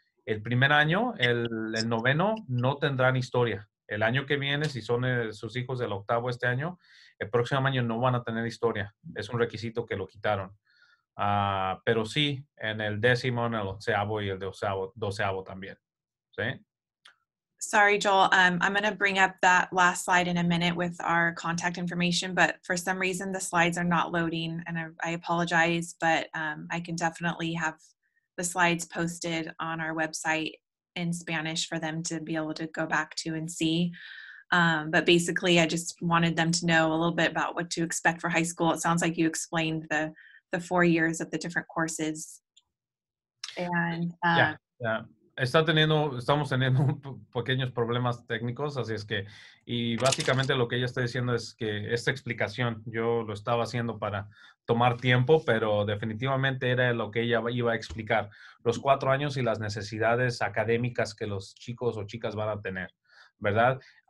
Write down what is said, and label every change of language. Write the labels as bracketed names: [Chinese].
[Spanish] El primer año, el noveno, no tendrán historia. El año que viene, si son sus hijos del octavo este año, el próximo año no van a tener historia. Es un requisito que lo quitaron. Pero sí, en el décimo, en el onceavo y el doceavo también. ¿Sí? [English] Sorry, Joel. I'm going to bring up that last slide in a minute with our contact information, but for some reason the slides are not loading, and I apologize, but I can definitely have the slides posted on our website in Spanish for them to be able to go back to and see. But basically, I just wanted them to know a little bit about what to expect for high school. It sounds like you explained the 4 years of the different courses. And [Spanish] estamos teniendo pequeños problemas técnicos, así es que, y básicamente lo que ella está diciendo es que esta explicación, yo lo estaba haciendo para tomar tiempo, pero definitivamente era lo que ella iba a explicar, los 4 años y las necesidades académicas que los chicos o chicas van a tener, ¿verdad?